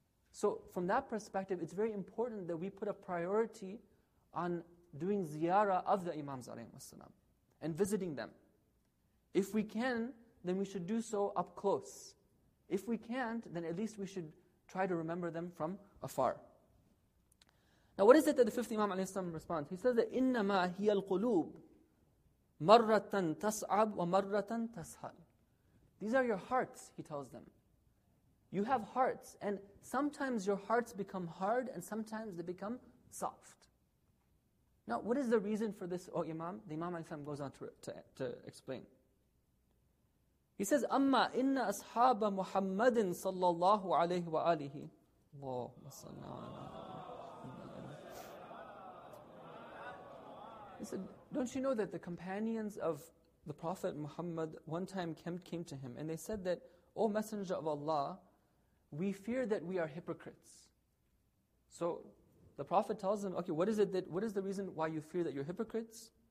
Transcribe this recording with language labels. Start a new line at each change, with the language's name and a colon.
English: So from that perspective, it's very important that we put a priority on doing ziyarah of the Imams alayhi salam and visiting them. If we can, then we should do so up close. If we can't, then at least we should try to remember them from afar. Now what is it that the fifth Imam alayhi salam responds? He says that
Arabic: إِنَّمَا هِيَ الْقُلُوبُ مَرَّةً تَصْعَبُ وَمَرَّةً تَسْهَلُ.
English: These are your hearts, he tells them. You have hearts, and sometimes your hearts become hard and sometimes they become soft. Now what is the reason for this, O Imam? The Imam alayhi salam goes on to explain. He says,
Arabic: أَمَّا إِنَّ أَصْحَابَ مُحَمَّدٍ صَلَّى اللَّهُ عَلَيْهِ وَآلِهِ اللَّهُمَّ صَلَّى اللَّهُ عَلَيْهِ وَآلِهِ.
English: He said, don't you know that the companions of the Prophet Muhammad one time came to him and they said that, O Messenger of Allah, we fear that we are hypocrites. So the Prophet tells them, okay, what is the reason why you fear that you're hypocrites?